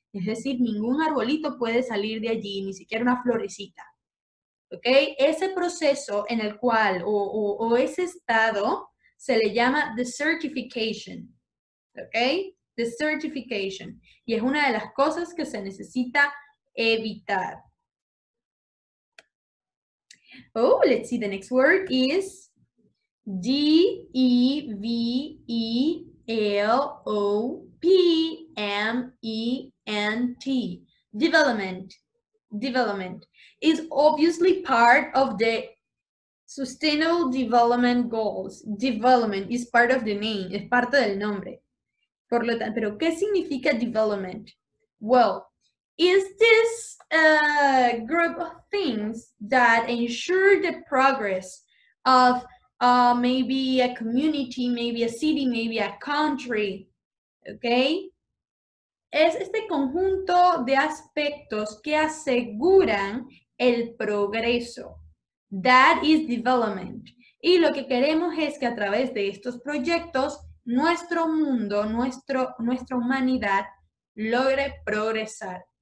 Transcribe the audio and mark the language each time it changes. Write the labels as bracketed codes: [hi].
[es] Es decir, ningún arbolito puede salir de allí, ni siquiera una florecita. ¿Ok? Ese proceso en el cual, o ese estado, se le llama desertification. ¿Ok? Desertification. Y es una de las cosas que se necesita evitar. [en] Oh, let's see. The next word is development. Development. Development is obviously part of the Sustainable Development Goals. Development is part of the name. [es] Es parte del nombre. Por lo tanto, ¿pero qué significa development? [en] Well, is this a group of things that ensure the progress of maybe a community, maybe a city, maybe a country, okay? [es] Es este conjunto de aspectos que aseguran el progreso. [en] That is development. [es] Y lo que queremos es que a través de estos proyectos, nuestro mundo, nuestra humanidad, logre progresar.